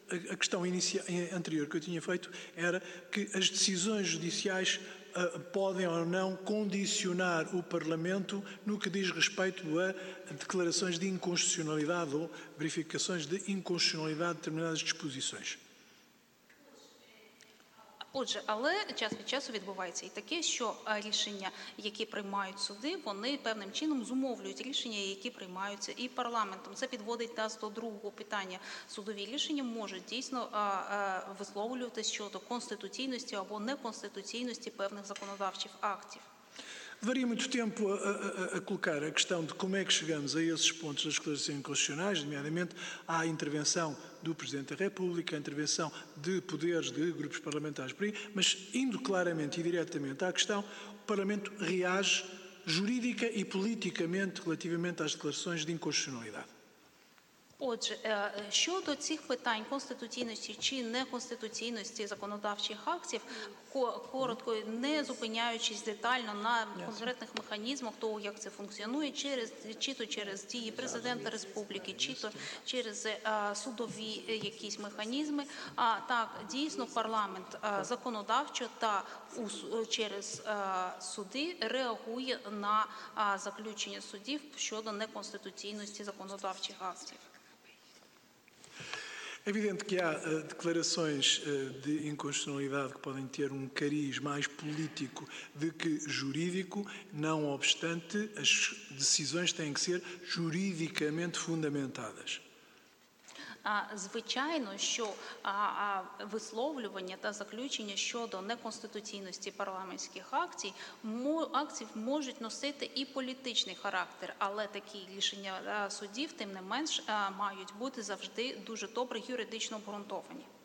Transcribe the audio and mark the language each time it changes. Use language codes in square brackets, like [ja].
[pt] A questão inicial, anterior que eu tinha feito era que as decisões judiciais podem ou não condicionar o Parlamento no que diz respeito a declarações de inconstitucionalidade ou verificações de inconstitucionalidade de determinadas disposições. [uk] Отже, але час від часу відбувається і таке, що рішення, які приймають суди, вони певним чином зумовлюють рішення, які приймаються і парламентом. Це підводить нас до другого питання. Судові рішення можуть дійсно висловлювати щодо конституційності або неконституційності певних законодавчих актів. [pt] Varia muito tempo a colocar a questão de como é que chegamos a esses pontos das declarações inconstitucionais, nomeadamente à intervenção do Presidente da República, à intervenção de poderes de grupos parlamentares por aí, mas indo claramente e diretamente à questão, o Parlamento reage jurídica e politicamente relativamente às declarações de inconstitucionalidade. [uk] Отже, щодо цих питань конституційності чи неконституційності законодавчих актів, коротко, не зупиняючись детально на конкретних механізмах того, як це функціонує, чи то через дії президента республіки, чи то через судові якісь механізми, а так, дійсно, парламент законодавчо та через суди реагує на заключення судів щодо неконституційності законодавчих актів. [pt] É evidente que há declarações de inconstitucionalidade que podem ter um cariz mais político do que jurídico, não obstante, as decisões têm que ser juridicamente fundamentadas. [uk] Звичайно, що висловлювання та заключення щодо неконституційності парламентських актів можуть носити і політичний характер, але такі рішення судів, тим не менш, мають бути завжди дуже добре юридично обґрунтовані.